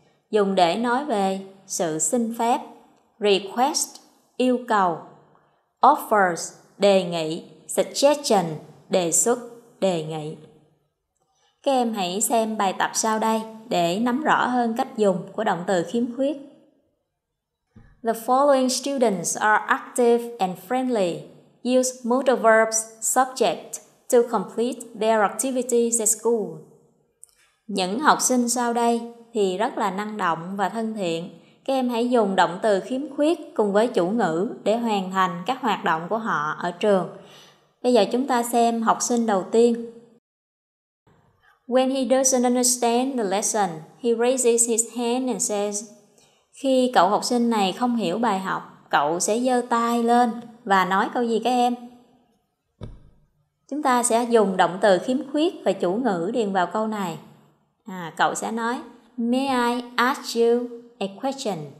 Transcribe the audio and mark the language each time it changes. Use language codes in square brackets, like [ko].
[vi] Dùng để nói về sự xin phép, request, yêu cầu, offers, đề nghị, suggestion, đề xuất, đề nghị. Các em hãy xem bài tập sau đây để nắm rõ hơn cách dùng của động từ khiếm khuyết. [en] The following students are active and friendly. Use modal verbs subject to complete their activities at school. [vi] Những học sinh sau đây thì rất là năng động và thân thiện. Các em hãy dùng động từ khiếm khuyết cùng với chủ ngữ để hoàn thành các hoạt động của họ ở trường. Bây giờ chúng ta xem học sinh đầu tiên. [en] When he doesn't understand the lesson, he raises his hand and says, [vi] khi cậu học sinh này không hiểu bài học, cậu sẽ giơ tay lên và nói câu gì các em? Chúng ta sẽ dùng động từ khiếm khuyết và chủ ngữ điền vào câu này. Cậu sẽ nói, [en] may I ask you a question?